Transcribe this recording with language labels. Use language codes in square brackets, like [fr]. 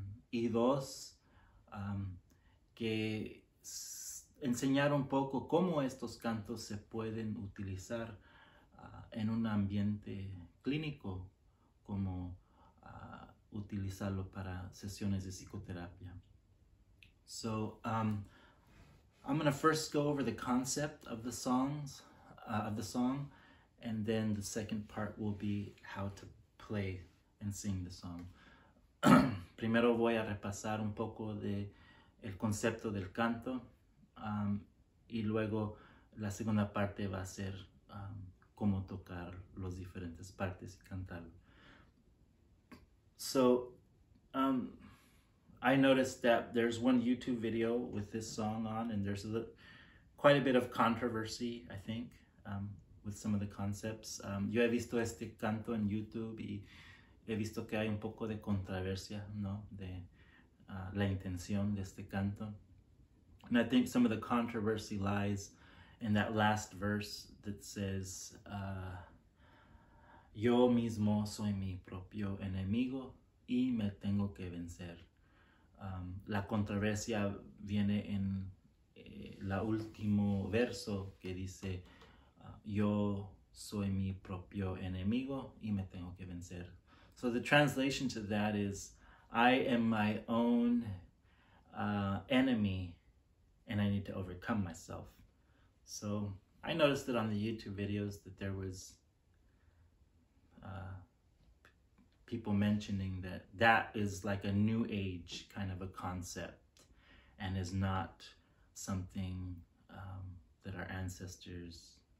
[es] Y dos, que enseñar un poco cómo estos cantos se pueden utilizar en un ambiente clínico, como utilizarlo para sesiones de psicoterapia. [en] So, I'm going to first go over the concept of the songs, of the song, and then the second part will be how to play and sing the song. [es] Primero voy a repasar un poco de el concepto del canto y luego la segunda parte va a ser cómo tocar las diferentes partes y cantar. [en] So, I noticed that there's one YouTube video with this song on and there's quite a bit of controversy, I think, with some of the concepts. [es] Yo he visto este canto en YouTube y he visto que hay un poco de controversia, ¿no? De la intención de este canto. [en] And I think some of the controversy lies in that last verse that says, [es] yo mismo soy mi propio enemigo y me tengo que vencer. La controversia viene en la último verso que dice, yo soy mi propio enemigo y me tengo que vencer. [en] So the translation to that is, I am my own enemy and I need to overcome myself. So I noticed that on the YouTube videos that there was people mentioning that that is like a new age kind of a concept and is not something that our ancestors